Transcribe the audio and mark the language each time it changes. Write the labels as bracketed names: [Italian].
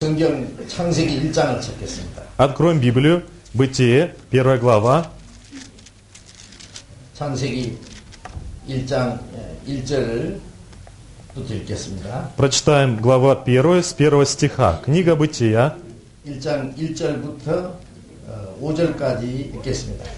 [Korean] 성경 창세기 1장을 찾겠습니다. [Russian] Откроем Библию, Бытие, первая глава. [Korean] 창세기 1장 1절부터 읽겠습니다. [Russian] Прочитаем глава 1 с 1 стиха. Книга Бытия. [Korean] 1장 1절부터 5절까지 읽겠습니다.